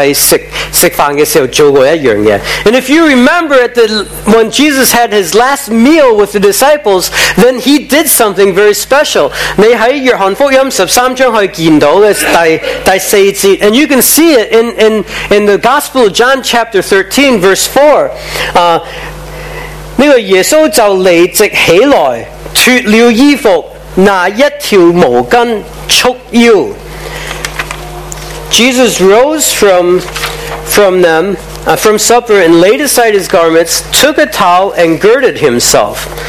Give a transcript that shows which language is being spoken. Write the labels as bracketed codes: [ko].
[zh] 如果你记得在耶稣最后晚餐的时候跟门徒在吃饭的时候做过一样的. [en] And if you remember at when Jesus had his last meal with the disciples, then he did something very special. [zh] 你在约翰福音13章可以见到的第四节, [en] and you can see it in the Gospel of John chapter 13 verse 4. [zh] 那个耶稣就立即起来脱了衣服 那一条毛巾束腰. [en] Jesus rose from supper and laid aside his garments, took a towel and girded himself.